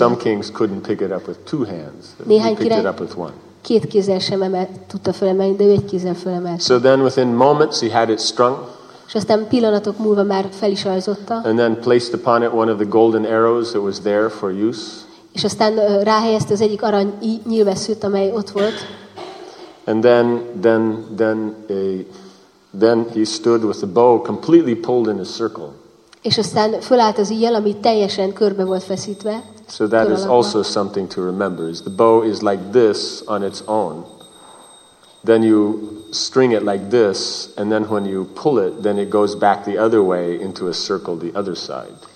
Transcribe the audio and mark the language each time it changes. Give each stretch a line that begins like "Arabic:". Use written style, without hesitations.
English: Some kings couldn't pick it up with two hands.
Hungarian: Néhány király két kézzel sem tudta fölemelni, de ő egy kézzel fölemelte.
English: So then within moments he had it strung.
Hungarian: És aztán pillanatok múlva már fel is rajzotta.
English: And then placed upon it one of the golden arrows that was there for use.
Hungarian: És aztán ráhelyezte az egyik arany nyílveszőt, amely ott volt.
English: And then he stood with the bow completely pulled in a circle.
Hungarian: És aztán fölállt az íjjal, ami teljesen körbe volt feszítve.
English: So that is also something to remember. Is the bow is like this on its own. Then you string it like this, and then when you pull it, then it goes back the other way into a circle the other side.